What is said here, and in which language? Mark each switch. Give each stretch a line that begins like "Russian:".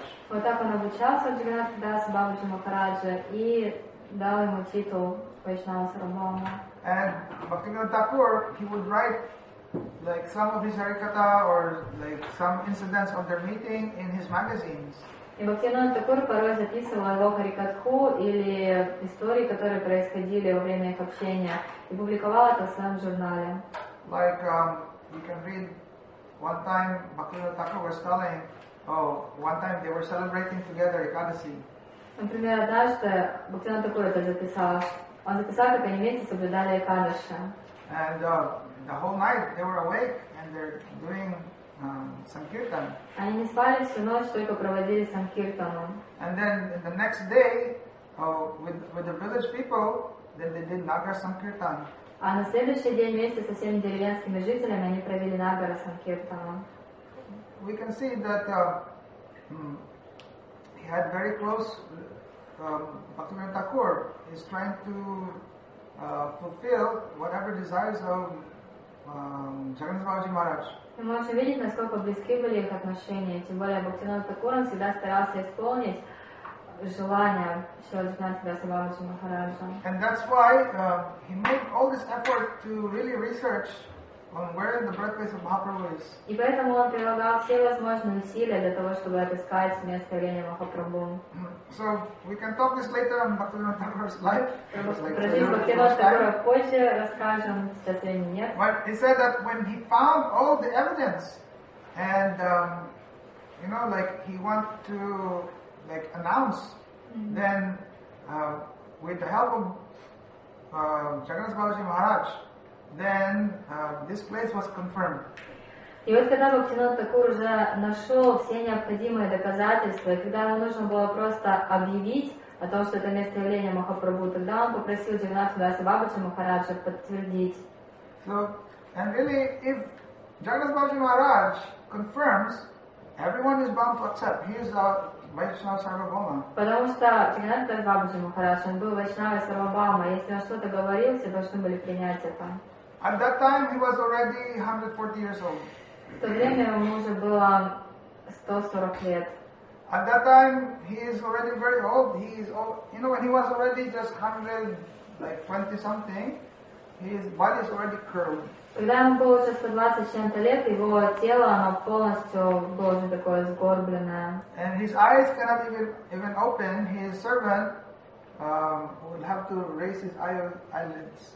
Russian: Вот так он обучался в Джагнатх Дас Бабаджи Махараджа и дал ему титул Вайшнава Сарвабхаума.
English: And Bhaktivinoda Thakur, he would write like some of his harikatha or like some incidents of their meeting in his magazines.
Russian: И Бхактивинода Такур порой записывал его харикатху или истории, которые происходили во время их общения, и публиковал это в своем журнале.
English: Like you can read one time Bhaktivinoda Thakur was telling. Oh, one time they were celebrating together Ekadasi.
Russian: Например, однажды Бхактивинода Такур это записал. Он записал, как они вместе соблюдали Экадаши.
English: And the whole night they were awake and they're doing sankirtan.
Russian: Они не спали всю ночь, только проводили санкиртану.
English: And then the next day, with the village people, then they did nagara sankirtan.
Russian: А на следующий день вместе со всеми деревенскими жителями они провели нагара санкиртану.
English: We can see that he had very close Bhaktivinoda Thakur is trying to fulfill whatever desires of Jagannath Babaji Maharaj.
Russian: Мы можем видеть, насколько близки были их отношения. Тем более Бхактивинода Такур всегда старался исполнить желания Шриджанатхадас Бабаджи Махараджа.
English: And that's why he made all this effort to really research on where the birthplace of Mahaprabhu is.
Russian: И поэтому он прилагал все возможные усилия для того, чтобы отыскать место рождения Махапрабху.
English: So we can talk this later on Bhaktivinoda Thakur's life.
Russian: Про жизнь Бхактивинода Такура позже расскажем, сейчас времени нет.
English: But he said that when he found all the evidence, and you know, like he wanted to like announce, then with the help of Jagannath Babaji Maharaj. Then this place was confirmed.
Russian: И вот когда Бхактивинода Такур уже нашел все необходимые доказательства, и когда ему нужно было просто объявить о том, что это место явления Махапрабху, тогда он попросил Джагнатхадас Бабаджи Махараджа подтвердить.
English: So, and really, if Jagannath Babaji Maharaj confirms, everyone is bound to accept. He is a Vaishnava Sarvabhauma.
Russian: Потому что Джагнатхадас Бабаджи Махарадж, он был Вайшнава Сарвабхаума. Если он что-то говорил, все должны были принять это.
English: At that time, he was already 140 years old.
Russian: В то время ему уже было 140 лет.
English: At that time, he is already very old. He is old. You know, when he was already just 120 something, his body is already curled.
Russian: Когда ему было уже 120 чем-то лет, его тело оно полностью было уже такое сгорбленное.
English: And his eyes cannot even open. His servant would have to raise his eyelids.